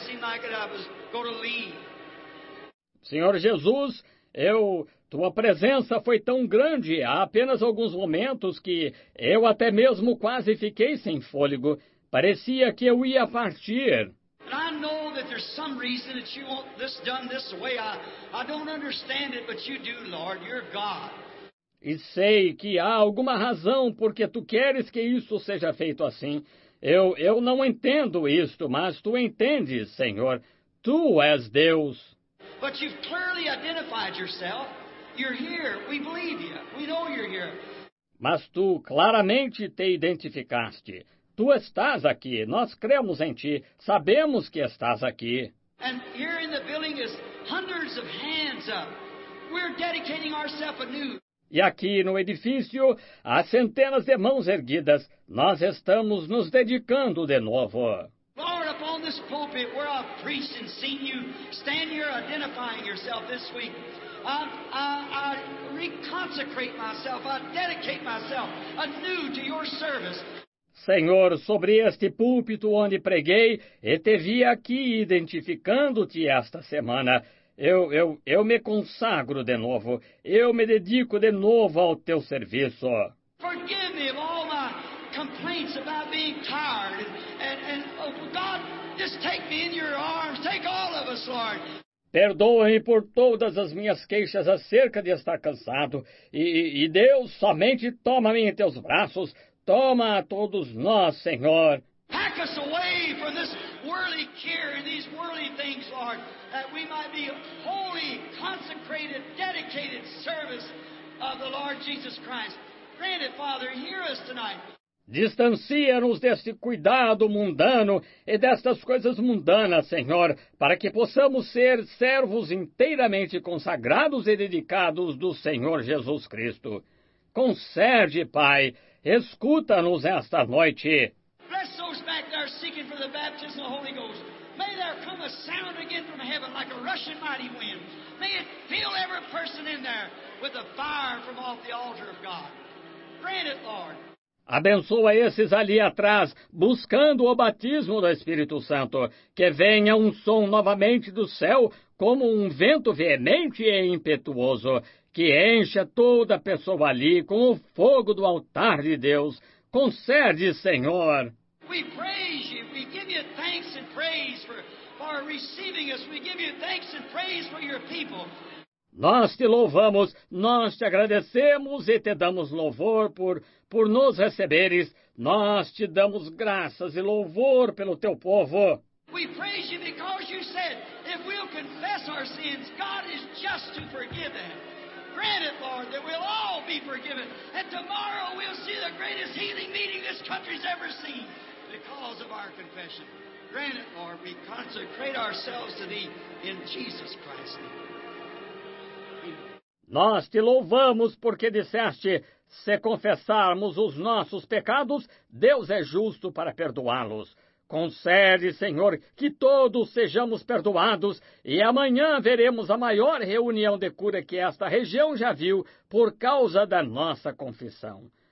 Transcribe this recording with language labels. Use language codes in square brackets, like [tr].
[en] Seemed like I was going to leave. [pt] Senhor Jesus, tua presença foi tão grande há apenas alguns momentos que eu até mesmo quase fiquei sem fôlego. Parecia que eu ia partir. [en] And I know that there's some reason that you want this done this way. I don't understand it, but you do, Lord. You're God. [pt] E sei que há alguma razão porque tu queres que isso seja feito assim. Eu não entendo isto, mas tu entendes, Senhor. Tu és Deus. [en] But you've clearly identified yourself. You're here. We believe you. We know you're here. [pt] Mas tu claramente te identificaste. Tu estás aqui. Nós cremos em ti. Sabemos que estás aqui. [en] And here in the building is hundreds of hands up. We're dedicating ourselves anew. [pt] E aqui no edifício, há centenas de mãos erguidas. Nós estamos nos dedicando de novo. [en] Lord, upon this pulpit, where I've preached and seen you stand here identifying yourself this week, I reconsecrate myself, I dedicate myself anew to your service. [pt] Senhor, sobre este púlpito onde preguei e te vi aqui identificando-te esta semana, eu me consagro de novo, eu me dedico de novo ao teu serviço. [en] Forgive me of all my complaints about being tired. And oh God, just take me in your arms, take all of us, Lord. [pt] Perdoa-me por todas as minhas queixas acerca de estar cansado. E Deus, somente toma-me em teus braços. Toma a todos nós, Senhor. [en] Pack us away from this worldly care and these worldly things, Lord, that we might be holy, consecrated, dedicated service of the Lord Jesus Christ. Grant it, Father, hear us tonight. [pt] Distancia-nos deste cuidado mundano e destas coisas mundanas, Senhor, para que possamos ser servos inteiramente consagrados e dedicados do Senhor Jesus Cristo. Concede, Pai, escuta-nos esta noite. [en] Bless those back there seeking for the baptism of the Holy Ghost. May there come a sound again from heaven like a rushing mighty wind. May it fill every person in there with the fire from off the altar of God. Grant it, Lord. [pt] Abençoa esses ali atrás, buscando o batismo do Espírito Santo. Que venha um som novamente do céu, como um vento veemente e impetuoso. Que encha toda a pessoa ali com o fogo do altar de Deus. Concede, Senhor. [en] We praise you. We give you thanks and praise for receiving us. We give you thanks and praise for your people. [pt] Nós te louvamos, nós te agradecemos e te damos louvor por nos receberes. Nós te damos graças e louvor pelo teu povo. [en] We praise you because you said, if we'll confess our sins, God is just to forgive them. Grant it, Lord, that we'll all be forgiven. And tomorrow we'll see the greatest healing meeting this country's ever seen because of our confession. Grant it, Lord, we consecrate ourselves to thee in Jesus Christ's name. [pt] Nós te louvamos porque disseste, se confessarmos os nossos pecados, Deus é justo para perdoá-los. Concede, Senhor, que todos sejamos perdoados e amanhã veremos a maior reunião de cura que esta região já viu por causa da nossa confissão.